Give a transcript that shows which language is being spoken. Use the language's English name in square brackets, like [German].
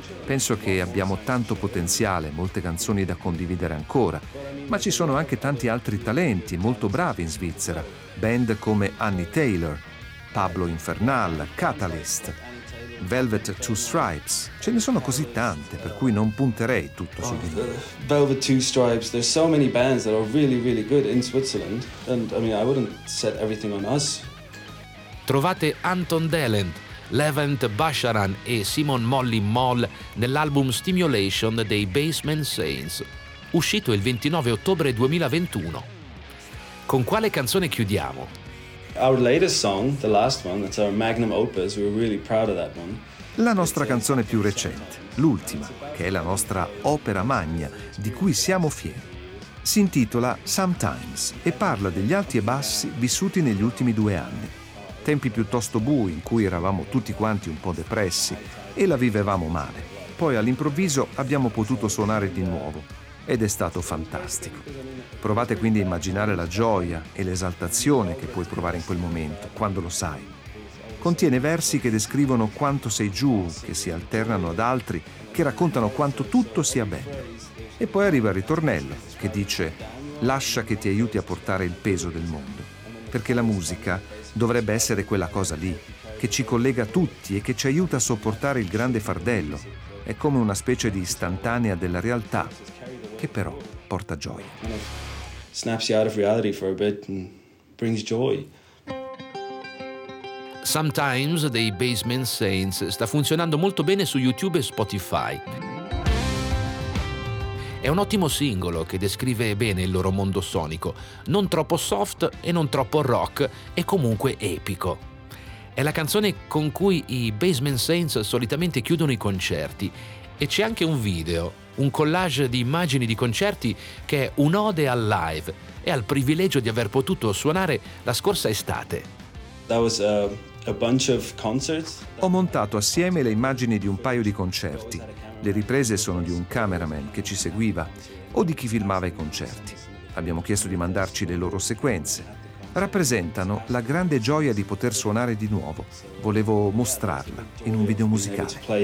[Italian] Penso che abbiamo tanto potenziale, molte canzoni da condividere ancora, ma ci sono anche tanti altri talenti molto bravi in Svizzera, band come Annie Taylor, Pablo Infernal, Catalyst, Velvet Two Stripes, ce ne sono così tante per cui non punterei tutto su di loro. [English] Velvet Two Stripes, there's so many bands that are really really good in Switzerland and I mean I wouldn't set everything on us. [Italian] Trovate Anton Delen, Levent Basharan e Simon Molly Moll nell'album Stimulation dei Basement Saints, uscito il 29 ottobre 2021. Con quale canzone chiudiamo? [English] Our latest song, the last one, that's our magnum opus, we're really proud of that one. [Italian] La nostra canzone più recente, l'ultima, che è la nostra opera magna, di cui siamo fieri, si intitola Sometimes e parla degli alti e bassi vissuti negli ultimi 2 anni. Tempi piuttosto bui in cui eravamo tutti quanti un po' depressi e la vivevamo male. Poi all'improvviso abbiamo potuto suonare di nuovo ed è stato fantastico. Provate quindi a immaginare la gioia e l'esaltazione che puoi provare in quel momento, quando lo sai. Contiene versi che descrivono quanto sei giù, che si alternano ad altri, che raccontano quanto tutto sia bello. E poi arriva il ritornello che dice «Lascia che ti aiuti a portare il peso del mondo». Perché la musica dovrebbe essere quella cosa lì, che ci collega tutti e che ci aiuta a sopportare il grande fardello. È come una specie di istantanea della realtà, che però porta gioia. [English] Snaps you out of reality for a bit and brings joy. [Italian] Sometimes dei Basement Saints sta funzionando molto bene su YouTube e Spotify. È un ottimo singolo che descrive bene il loro mondo sonico, non troppo soft e non troppo rock, e comunque epico. È la canzone con cui i Basement Saints solitamente chiudono i concerti, e c'è anche un video, un collage di immagini di concerti che è un'ode al live e al privilegio di aver potuto suonare la scorsa estate. [English] That was a bunch of concerts. [Italian] Ho montato assieme le immagini di un paio di concerti. Le riprese sono di un cameraman che ci seguiva o di chi filmava i concerti. Abbiamo chiesto di mandarci le loro sequenze. Rappresentano la grande gioia di poter suonare di nuovo. Volevo mostrarla in un video musicale.